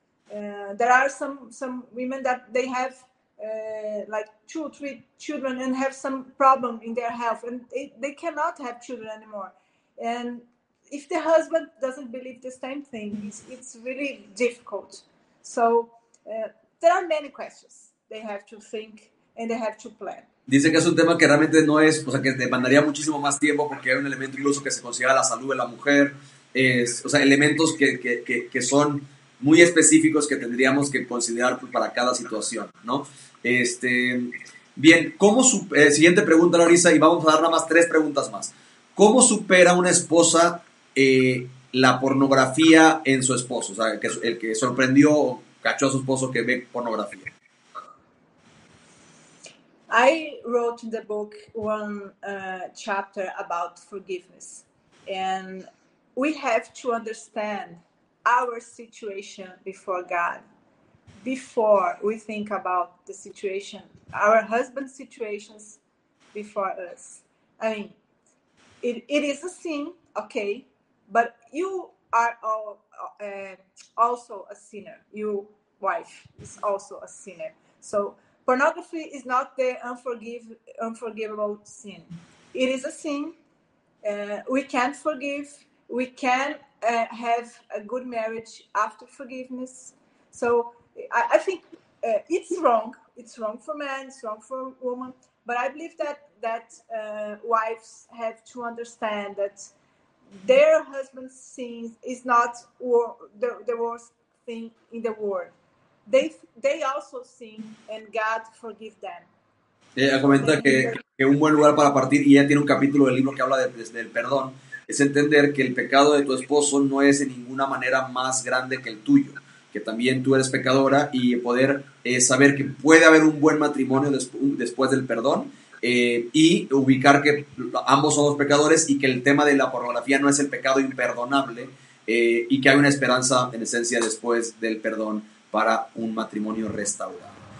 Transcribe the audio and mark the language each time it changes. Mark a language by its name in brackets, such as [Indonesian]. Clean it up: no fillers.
[English] There are some women that they have like two or three children and have some problem in their health, and they cannot have children anymore. And if the husband doesn't believe the same thing, it's really difficult. So there are many questions they have to think and they have to plan. [Spanish] Dice que es un tema que realmente no es, o sea, que demandaría muchísimo más tiempo, porque hay un elemento incluso que se considera la salud de la mujer, elementos que son muy específicos que tendríamos que considerar para cada situación, ¿no? Bien, siguiente pregunta, Larisa, y vamos a dar nada más tres preguntas más. ¿Cómo supera una esposa la pornografía en su esposo? O sea, el que sorprendió o cachó a su esposo que ve pornografía. [English] I wrote in the book one chapter about forgiveness. And we have to understand our situation before God before we think about the situation, our husband's situations before us. I mean, it is a sin, okay, but you are all also a sinner. Your wife is also a sinner. So pornography is not the unforgivable sin. It is a sin. We can forgive. We can have a good marriage after forgiveness. So I think it's wrong. It's wrong for men. It's wrong for women. But I believe that wives have to understand that their husband's sins is not the worst thing in the world. They also sin, and God forgive them. [Spanish] Ella comenta que un buen lugar para partir, y ella tiene un capítulo del libro que habla del perdón, es entender que el pecado de tu esposo no es en ninguna manera más grande que el tuyo, que también tú eres pecadora, y poder saber que puede haber un buen matrimonio después del perdón, y ubicar que ambos somos pecadores y que el tema de la pornografía no es el pecado imperdonable, y que hay una esperanza en esencia después del perdón para un matrimonio restaurado.